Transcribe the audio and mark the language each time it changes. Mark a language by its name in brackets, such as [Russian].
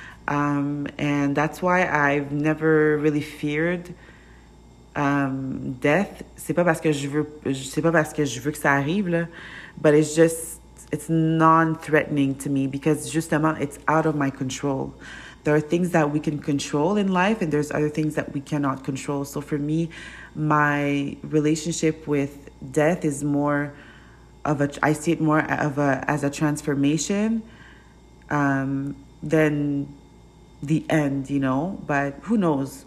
[English] And that's why I've never really feared death. [French] C'est pas parce que je veux que ça arrive, là. [English] But it's non-threatening to me, because justement, it's out of my control. There are things that we can control in life, and there's other things that we cannot control. So for me, my relationship with death is more of a, I see it more of a, as a transformation than the end, you know? But who knows?